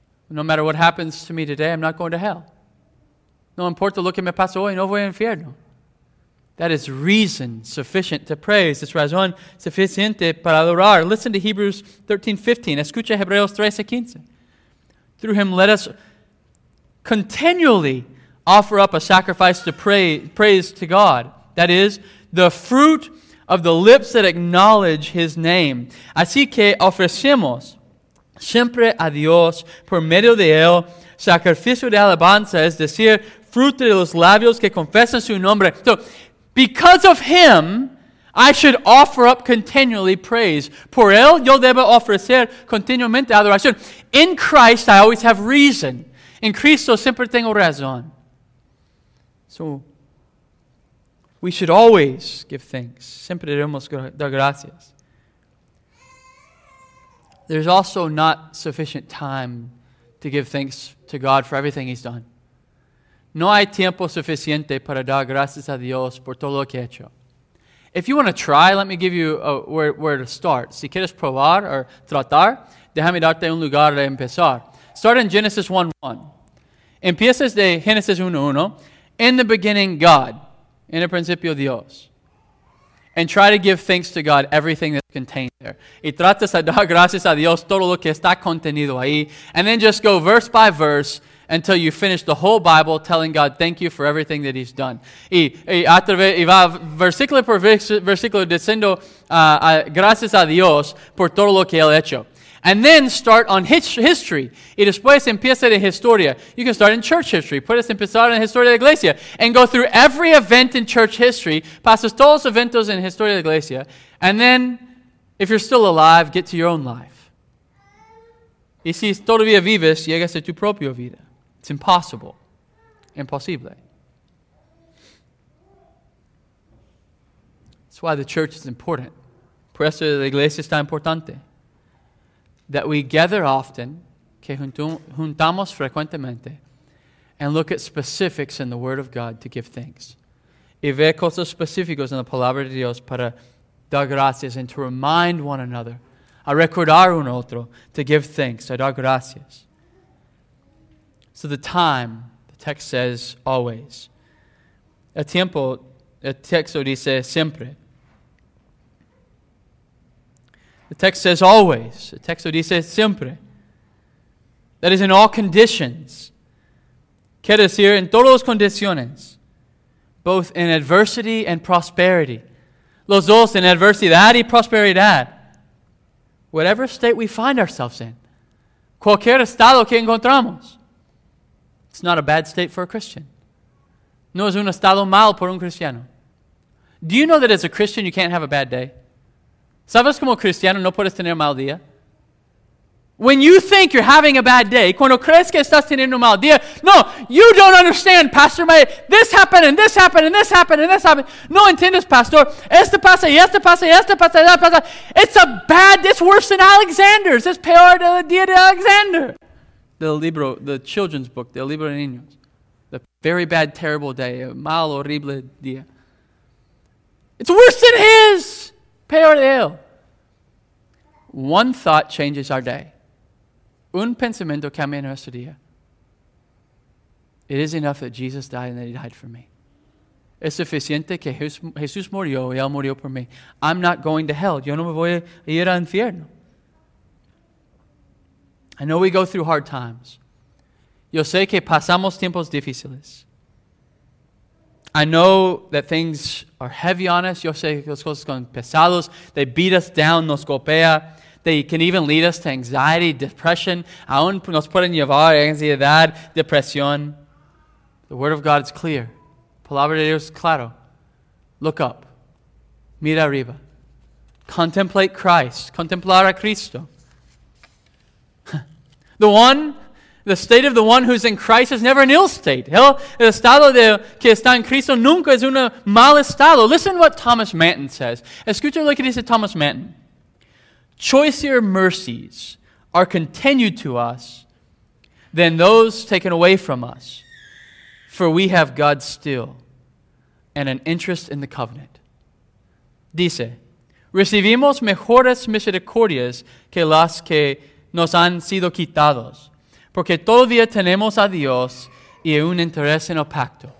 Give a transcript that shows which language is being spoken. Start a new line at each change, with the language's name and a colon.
English: No matter what happens to me today, I'm not going to hell.
Spanish: No importa lo que me pasa hoy, no voy al infierno.
English: That is reason sufficient to praise.
Spanish: Es razón suficiente para adorar.
English: Listen to Hebrews 13:15.
Spanish: Escucha Hebreos 13:15.
English: Through him let us continually offer up a sacrifice to praise to God. That is, the fruit of the lips that acknowledge his name.
Spanish: Así que ofrecemos siempre a Dios por medio de él sacrificio de alabanza, es decir, fruto de los labios que confesan su nombre.
English: So, because of him, I should offer up continually praise.
Spanish: Por él, yo debo ofrecer continuamente adoración.
English: In Christ, I always have reason.
Spanish: En Cristo, siempre tengo razón.
English: So, we should always give thanks.
Spanish: Siempre debemos dar gracias.
English: There's also not sufficient time to give thanks to God for everything he's done.
Spanish: No hay tiempo suficiente para dar gracias a Dios por todo lo que he hecho.
English: If you want to try, let me give you where to start.
Spanish: Si quieres probar o tratar, déjame darte un lugar de empezar.
English: Start in Genesis 1:1.
Spanish: Empiezas de Genesis 1:1.
English: In the beginning, God.
Spanish: En el principio, Dios.
English: And try to give thanks to God everything that's contained there.
Spanish: Y tratas de dar gracias a Dios todo lo que está contenido ahí.
English: And then just go verse by verse until you finish the whole Bible telling God thank you for everything that he's done.
Spanish: Y va versículo por versículo diciendo gracias a Dios por todo lo que él ha hecho.
English: And then start on history.
Spanish: Y después empieza de historia.
English: You can start in church history.
Spanish: Puedes empezar en historia de la iglesia.
English: And go through every event in church history.
Spanish: Pasas todos los eventos en historia de la iglesia.
English: And then, if you're still alive, get to your own life.
Spanish: Y si todavía vives, llegas a tu propia vida.
English: It's impossible. Imposible. That's why the church is important.
Spanish: Por eso la iglesia está importante.
English: That we gather often,
Spanish: que juntamos frecuentemente,
English: and look at specifics in the Word of God to give thanks.
Spanish: Y ver cosas específicas en la Palabra de Dios para dar gracias
English: and to remind one another,
Spanish: a recordar uno otro,
English: to give thanks,
Spanish: a dar gracias.
English: So the time, the text says, always.
Spanish: El tiempo, el texto dice, siempre.
English: The text says always. The text
Spanish: dice siempre.
English: That is in all conditions.
Spanish: Quiere decir en todas las condiciones.
English: Both in adversity and prosperity.
Spanish: Los dos en adversidad y prosperidad.
English: Whatever state we find ourselves in.
Spanish: Cualquier estado que encontramos.
English: It's not a bad state for a Christian.
Spanish: No es un estado mal por un cristiano.
English: Do you know that as a Christian you can't have a bad day?
Spanish: ¿Sabes como cristiano no puedes tener mal día?
English: When you think you're having a bad day,
Spanish: cuando crees que estás teniendo mal día,
English: no, you don't understand, Pastor, this happened, and this happened, and this happened, and this happened.
Spanish: No entiendes, Pastor. Esto pasa, y esto pasa, y esto pasa, y esto pasa.
English: It's a bad, it's worse than Alexander's. It's
Spanish: peor del día de Alexander.
English: The
Spanish: libro,
English: the children's book, the
Spanish: libro de niños.
English: The very bad, terrible day,
Spanish: a mal, horrible día.
English: It's worse than his.
Spanish: Peor de él.
English: One thought changes our day.
Spanish: Un pensamiento cambia nuestro día.
English: It is enough that Jesus died and that he died for me.
Spanish: Es suficiente que Jesús murió y él murió por mí.
English: I'm not going to hell.
Spanish: Yo no me voy a ir al infierno.
English: I know we go through hard times.
Spanish: Yo sé que pasamos tiempos difíciles.
English: I know that things are heavy on us.
Spanish: Yo sé que las cosas son pesadas.
English: They beat us down,
Spanish: nos golpea.
English: They can even lead us to anxiety, depression.
Spanish: Aún nos pueden llevar ansiedad, depresión.
English: The Word of God is clear.
Spanish: Palabra de Dios es claro.
English: Look up.
Spanish: Mira arriba.
English: Contemplate Christ.
Spanish: Contemplar a Cristo.
English: The one... The state of the one who's in Christ is never an ill state.
Spanish: El estado de que está en Cristo nunca es un mal estado.
English: Listen to what Thomas Manton says.
Spanish: Escucha lo que dice Thomas Manton.
English: Choicer mercies are continued to us than those taken away from us. For we have God still and an interest in the covenant.
Spanish: Dice, recibimos mejores misericordias que las que nos han sido quitados. Porque todavía tenemos a Dios y un interés en el pacto.